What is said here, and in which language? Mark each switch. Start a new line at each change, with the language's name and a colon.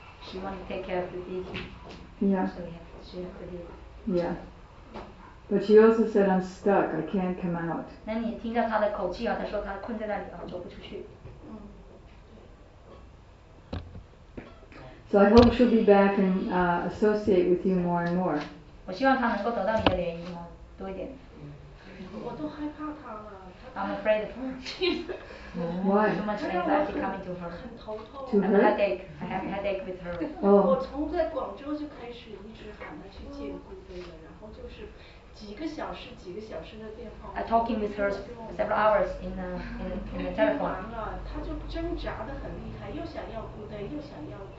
English: She wanted to take care of the baby. Yeah. But she also said, I'm stuck, I can't come out.
Chinese: 那你听到她的口气她说她困在那里走不出去。
English: So I hope she'll be back and associate with you more and more.
Chinese: 我希望她能够得到你的联谊吗？多一点。我都害怕她了。
English: I'm afraid of her. Why? Too much anxiety coming to her.
Chinese: 很头痛。
English: To her? I have a headache. I have a headache with her.
Chinese: 我从在广州就开始一直喊她去见顾飞了，然后就是几个小时的电话。
English: I talking with her several hours in the telephone.
Chinese: 完了，她就挣扎得很厉害，又想要顾飞，又想要。